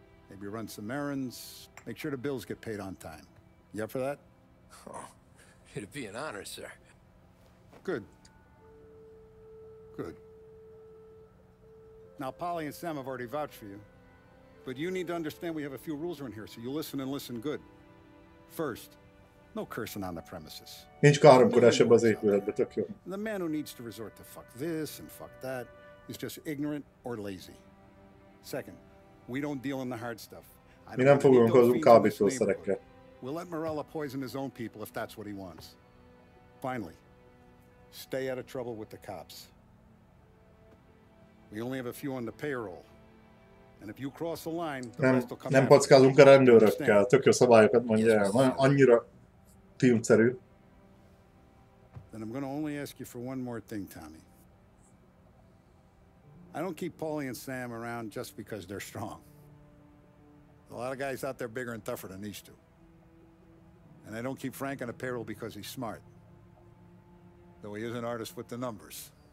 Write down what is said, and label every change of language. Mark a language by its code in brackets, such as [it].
[en] Maybe run some errands, make sure the bills get paid on time. You up for that? Oh, it'd be an honor, sir. Good. Good. Now, Polly and Sam have already vouched for you, but you need to understand we have a few rules around here, so you listen and listen good. First, no cursing on the premises. [hu] Nincs káromkodás ebben az épületben, tök jó. [en] The man who needs to resort to fuck this and fuck that is just ignorant or lazy. Second, we don't deal in the hard stuff. [hu] Mi nem fogunk hozzunk kábítószerekkel. [en] We'll let Morella poison his own people if that's what he wants. Finally, stay out of trouble with the cops. We only have a few on the payroll. And if you cross the line, the [hu] nem, [en] rest will come [hu] nem packázunk a rendőrökkel. Tök jó szabályokat mondja. Annyira filmszerű. [en] Then I'm going to only ask you for one more thing, Tommy. I don't keep Paulie and Sam around just because they're strong. A lot of guys out there bigger and tougher than these two. And I don't keep Frank on the payroll because he's smart. Though he is an artist with the numbers.